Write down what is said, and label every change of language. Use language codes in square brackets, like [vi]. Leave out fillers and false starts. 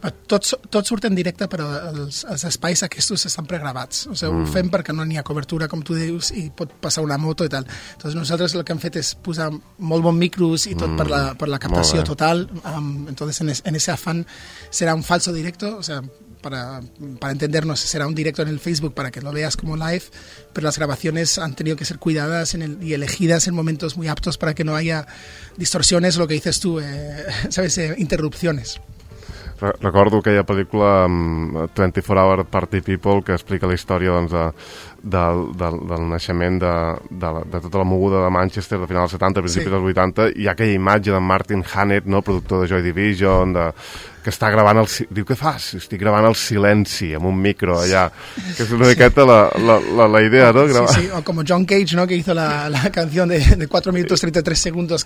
[ca] Tots surten en directe, però els espais aquests estan pregravats. O sigui, ho fem perquè no n'hi ha cobertura, com tu dius, i pot passar una moto i tal. Entonces, nosaltres el que hem fet es posar molt bon micros i tot per la captació total. [es] Entonces en ese afán será un falso directo, o sea, para entendernos, será un directo en el Facebook para que lo veas como live, pero las grabaciones han tenido que ser cuidadas y elegidas en momentos muy aptos para que no haya distorsiones, lo que dices tú, ¿sabes? Interrupciones. [ca] Recordo aquella pel·lícula 24 Hour Party People que explica la història doncs, del naixement de tota la moguda de Manchester de final dels 70, principis sí. Dels 80, i aquella imatge d'en Martin Hannett, no, productor de Joy Division, que està gravant el... Diu, què fas? Estic gravant el silenci amb un micro allà. Que és una miqueta la idea, no? Grava. Sí, o com John Cage, no?, [es] que hizo [ca] la canció de 4 minuts 33 segundos.